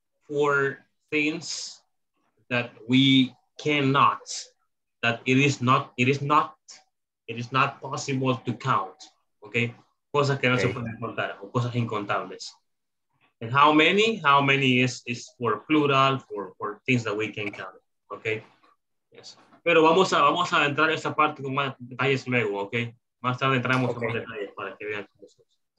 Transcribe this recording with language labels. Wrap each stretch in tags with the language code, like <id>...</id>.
<en>For things that we cannot, it is not possible to count, okay?</en> <es>Cosas que no se pueden contar, o cosas incontables.</es> <en>And how many is for plural, for things that we can count, okay? Yes.</en> <es>Pero vamos a entrar en esta parte con más detalles luego, okay? Más tarde entramos con más detalles para que vean cómo se hace.</es>